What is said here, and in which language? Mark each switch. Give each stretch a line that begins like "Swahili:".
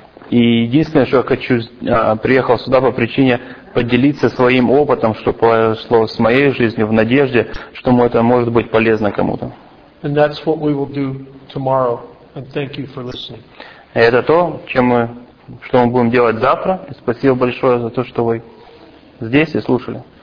Russian: И единственное, что я хочу, приехал сюда по причине поделиться своим опытом, что произошло с моей жизнью, в надежде, что это может быть полезно кому-то.
English: And that's what we will do tomorrow. And thank you for listening.
Russian: Это то, что мы будем делать завтра. И спасибо большое за то, что вы здесь и слушали.